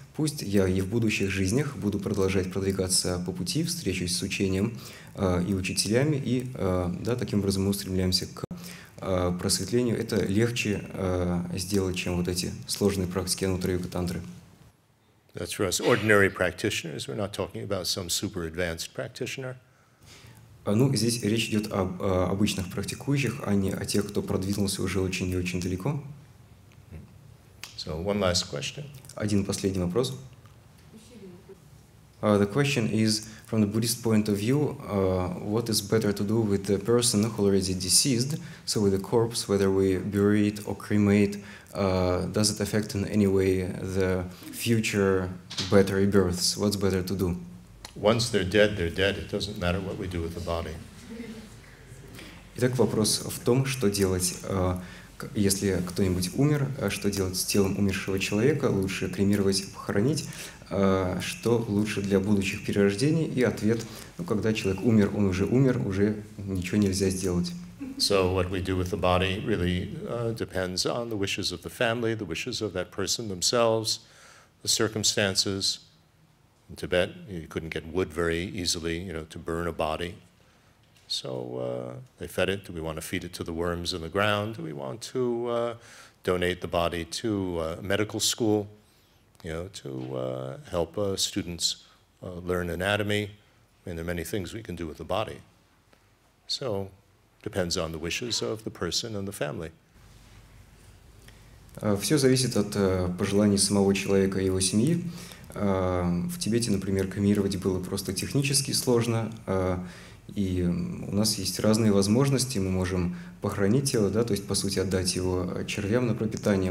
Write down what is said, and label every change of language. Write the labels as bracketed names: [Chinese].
[Russian] Пусть я и в будущих жизнях буду продолжать продвигаться по пути, встречусь с учением и учителями, и да, таким образом мы устремляемся к просветлению. Это легче сделать, чем вот эти сложные практики анутра-йога-тантры. [English] That's for us ordinary practitioners. We're not talking about some super advanced practitioner. [Russian] Ну, здесь речь идет об обычных практикующих, а не о тех, кто продвинулся уже очень и очень далеко. [English] So, one last question. [Russian] Один последний вопрос. [English] The question is, from the Buddhist point of view, what is better to do with the person who already deceased, so with the corpse, whether we bury it or cremate, does it affect in any way the future better rebirths? What's better to do? Once they're dead, they're dead. It doesn't matter what we do with the body. [Russian] Итак, вопрос в том, что делать, если кто-нибудь умер, что делать с телом умершего человека, лучше кремировать, похоронить, что лучше для будущих перерождений, и ответ, ну, когда человек умер, он уже умер, уже ничего нельзя сделать. [English] So what we do with the body really depends on the wishes of the family, the wishes of that person themselves, the circumstances. In Tibet, you couldn't get wood very easily, you know, to burn a body. So they fed it. Do we want to feed it to the worms in the ground? Do we want to donate the body to a medical school, you know, to help students learn anatomy? I mean, there are many things we can do with the body. So depends on the wishes of the person and the family. [Russian] Все зависит от пожеланий самого человека и его семьи. В Тибете, например, кремировать было просто технически сложно, и у нас есть разные возможности. Мы можем похоронить тело, да, то есть, по сути, отдать его червям на пропитание.